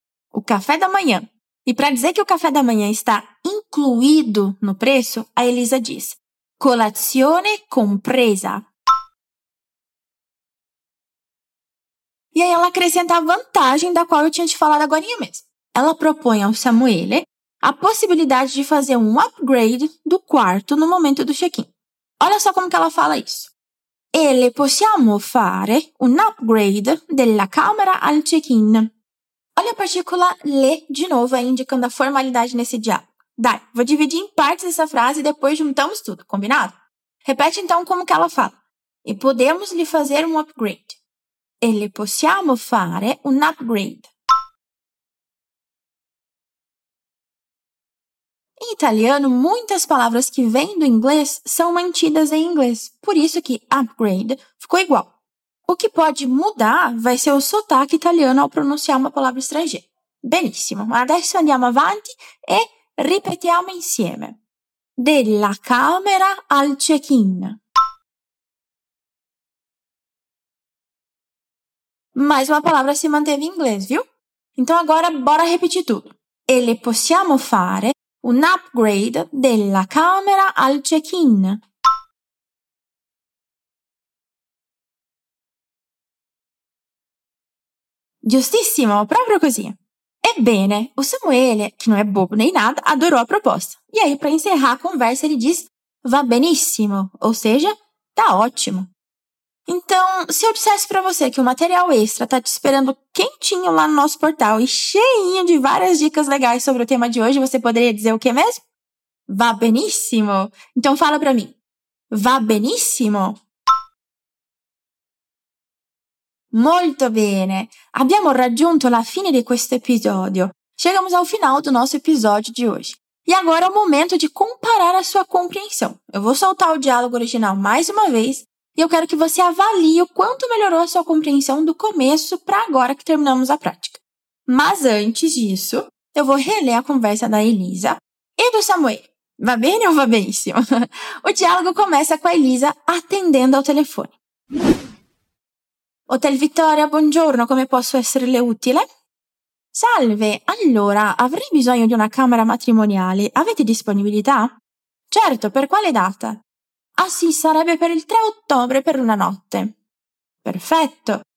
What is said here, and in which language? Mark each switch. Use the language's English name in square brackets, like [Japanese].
[Portuguese] O café da manhã. E para dizer que o café da manhã está incluído no preço, a Elisa diz: [Italian] colazione compresa. [Portuguese] E aí ela acrescenta a vantagem da qual eu tinha te falado agora mesmo. Ela propõe ao Samuele a possibilidade de fazer um upgrade do quarto no momento do check-in. Olha só como que ela fala isso. [Italian] Ele possiamo fare un upgrade della camera al check-in. [Portuguese] Olha a partícula le de novo, aí indicando a formalidade nesse diálogo. Dai, vou dividir em partes essa frase e depois juntamos tudo, combinado? Repete então como que ela fala. E podemos lhe fazer um upgrade. [Italian] Ele possiamo fare un upgrade. [Portuguese] Em italiano, muitas palavras que vêm do inglês são mantidas em inglês. Por isso que upgrade ficou igual. O que pode mudar vai ser o sotaque italiano ao pronunciar uma palavra estrangeira. [Italian] Benissimo. Adesso andiamo avanti e ripetiamo insieme. Della camera al check-in. [Portuguese] Mais uma palavra se manteve em inglês, viu? Então agora bora repetir tudo. [Italian] Ele possiamo fare un upgrade della camera al check-in. Giustissimo, proprio così. Ebbene, [Portuguese] o Samuele, [Italian] che non è [Portuguese] bobo nem nada, adorou a proposta. E aí, para encerrar a conversa, ele diz [Italian] va benissimo, [Portuguese] ou seja, tá ótimo. Então, se eu dissesse para você que o material extra tá te esperando quentinho lá no nosso portal e cheinho de várias dicas legais sobre o tema de hoje, você poderia dizer o quê mesmo? [Italian] Va benissimo. [Portuguese] Então fala para mim. Va benissimo. [Italian] Molto bene. Abbiamo raggiunto la fine di questo episodio. [Portuguese] Chegamos ao final do nosso episódio de hoje. E agora é o momento de comparar a sua compreensão. Eu vou soltar o diálogo original mais uma vez. E eu quero que você avalie o quanto melhorou a sua compreensão do começo para agora que terminamos a prática. Mas antes disso, eu vou reler a conversa da Elisa e do Samuel. [Italian] Va bene [Portuguese] ou [Italian] va benissimo? [Portuguese] O diálogo começa com a Elisa atendendo ao telefone. [Italian] Hotel Vittoria, buongiorno, come posso esserle utile? Salve, allora, avrei bisogno di una camera matrimoniale. Avete disponibilità? Certo, per quale data? Ah sì, sarebbe per il 3 ottobre per una notte. Perfetto.